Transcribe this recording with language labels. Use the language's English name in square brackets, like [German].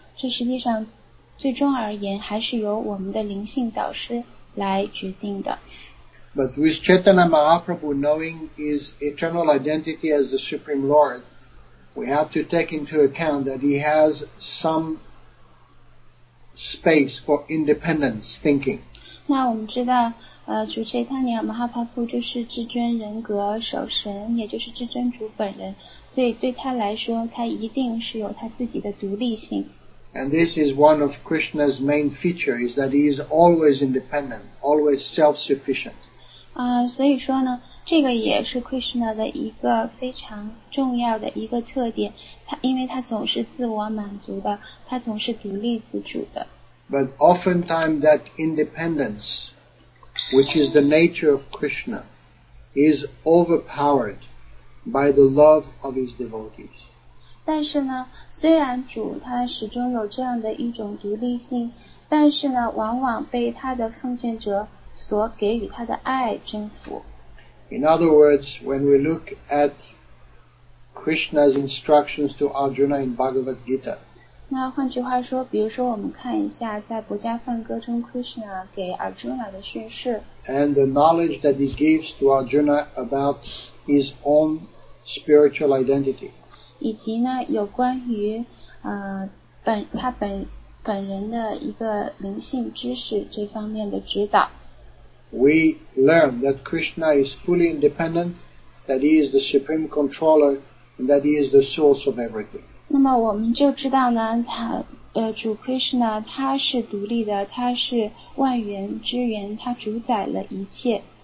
[Chinese] 这实际上，最终而言，还是由我们的灵性导师来决定的。 [English] But with Chaitanya Mahaprabhu knowing his eternal identity as the Supreme Lord, we have to take into account that he has some space for independent thinking. [Chinese] 那我们知道，主 Chaitanya Mahaprabhu 就是至尊人格首神，也就是至尊主本人，所以对他来说，他一定是有他自己的独立性。 [English] And this is one of Krishna's main features, is that he is always independent, always self-sufficient. [Chinese] 所以说呢，这个也是 Krishna 的一个非常重要的一个特点，因为他总是自我满足的，他总是独立自主的。 [English] But oftentimes that independence, which is the nature of Krishna, is overpowered by the love of his devotees. [Chinese] 但是呢，虽然主他始终有这样的一种独立性，但是呢，往往被他的奉献者所给予他的爱征服。 [English] In other words, when we look at Krishna's instructions to Arjuna in Bhagavad Gita, [Chinese] 那换句话说，比如说我们看一下在《薄伽梵歌》中 Krishna 给 Arjuna 的训示。 [English] And the knowledge that he gives to Arjuna about his own spiritual identity. [Chinese] 以及呢，有关于他本本人的一个灵性知识这方面的指导。 [English] We learn that Krishna is fully independent, that he is the supreme controller, and that he is the source of everything. [Chinese] 那么我们就知道呢，主 Krishna 他是独立的，他是万源之源，他主宰了一切。